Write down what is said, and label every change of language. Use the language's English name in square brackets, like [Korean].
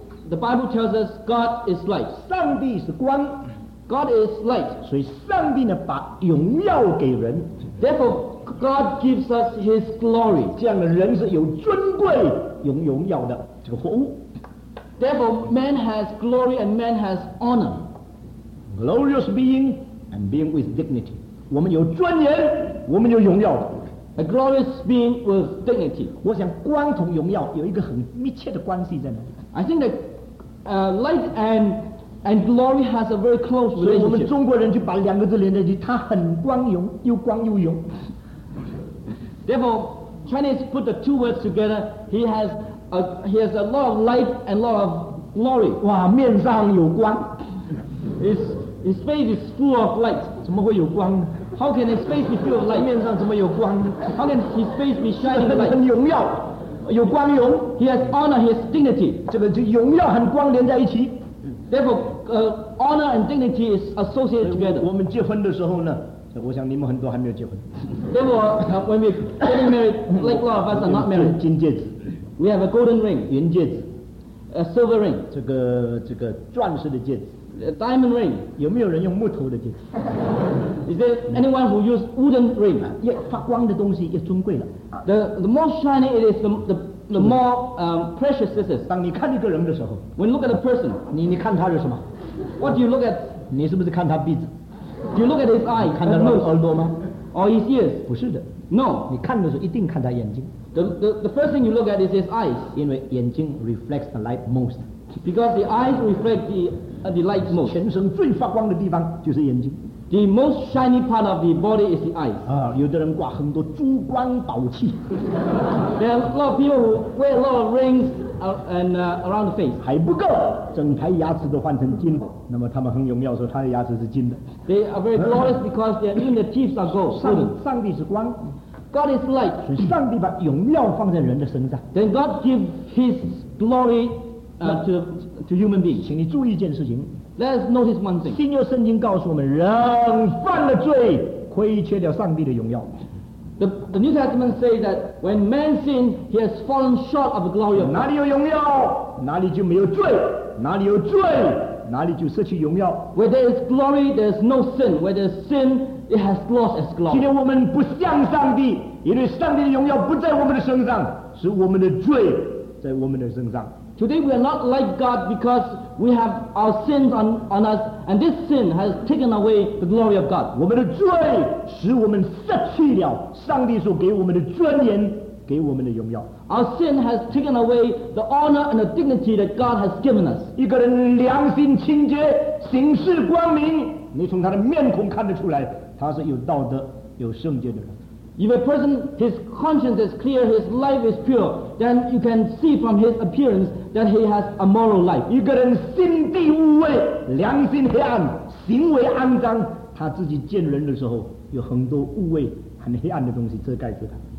[English] The Bible tells us God is light. [Chinese] 上帝是光。 [English] God is light. [Chinese] 所以上帝呢把荣耀给人。 [English] Therefore, God gives us His glory. [Chinese] 这样的人是有尊贵、有荣耀的这个活物。 [English] Therefore, man has glory and man has honor. Glorious being and being with dignity. [Chinese] 我们有尊严，我们有荣耀的。 [English] A glorious being with dignity. [Chinese] 我想光同荣耀有一个很密切的关系在哪里。 [English] I think that light and glory has a very close relationship. [Chinese] 所以我们中国人就把两个字连在一起，它很光荣，又光又荣。 [English] Therefore, Chinese put the two words together. He has a lot of light and a lot of glory. [Chinese] 哇，面上有光。 [English] His face is full of light. [Chinese] 怎么会有光呢？ [English] How can his face be full of light? [Chinese] 面上怎么有光呢？ [English] How can his face be shining light? [Chinese] 很荣耀。有光荣 [English] ，He has honor, he has dignity. [Chinese] 这个就荣耀和光连在一起。 [English] Therefore, honor and dignity is associated together. [Chinese] 我们结婚的时候呢，我想你们很多还没有结婚。 [English] Therefore, when we get married, like a lot of us are not married. [Chinese] 金戒指 [English] ，We have a golden ring. [Chinese] 银戒指 [English] ，A silver ring. [Chinese] 这个钻石的戒指 [English] ，A diamond ring. [Chinese] 有没有人用木头的戒指？ [English] Is there anyone who uses wooden ring? [Chinese] 越发光的东西越尊贵了。 [English] The more shiny it is, the more precious this is. [Chinese] 当你看一个人的时候 [English] ，When you look at a person, [Chinese] 你看他是什么 [English] ？What do you look at? [Chinese] 你是不是看他鼻子 [English] ？Do you look at his eye? [Chinese] 看他的耳朵吗 [English] ？Or his ears? [Chinese] 不是的。 [English] No. [Chinese] 你看的时候一定看他眼睛。 [English] The first thing you look at is his eyes. [Chinese] 因为眼睛 [English] reflects the light most. Because the eyes reflect the a delight most. [Chinese] 全身最发光的地方就是眼睛。 [English] The most shiny part of the body is the eyes. [Chinese] 啊，有的人挂很多珠光宝气。 [English] There are a lot of people who wear a lot of rings around the face. [Chinese] 还不够，整排牙齿都换成金。那么他们很有妙说，他的牙齿是金的。 [English] They are very glorious because their even the teeth are gold. [Chinese] 上帝是光。 [English] God is light. [Chinese] 所以上帝把荣耀放在人的身上。 [English] Then God gives His glory to human beings. [Chinese] 请你注意一件事情。 [English] Let's notice one thing. [Chinese] 新约圣经告诉我们，人犯了罪，亏缺了上帝的荣耀。 [English] The New Testament says that when man sinned, he has fallen short of the glory of God. [Chinese] 哪里有荣耀，哪里就没有罪；哪里有罪，哪里就失去荣耀。 [English] Where there is glory, there is no sin. Where there is sin, it has lost its glory. [Chinese] 今天我们不像上帝，因为上帝的荣耀不在我们的身上，是我们的罪在我们的身上。 [English] Today we are not like God because we have our sins on us, and this sin has taken away the glory of God. [Chinese] 我们的罪使我们失去了上帝所给我们的尊严，给我们的荣耀。 [English] Our sin has taken away the honor and the dignity that God has given us. [Chinese] 一个人良心清洁，行事光明，你从他的面孔看得出来，他是有道德、有圣洁的人。 [English] If a person, his conscience is clear, his life is pure, then you can see from his appearance that he has a moral life. [Chinese] 一个人心地污秽，良心黑暗，行为肮脏，他自己见人的时候有很多污秽、很黑暗的东西遮盖着他。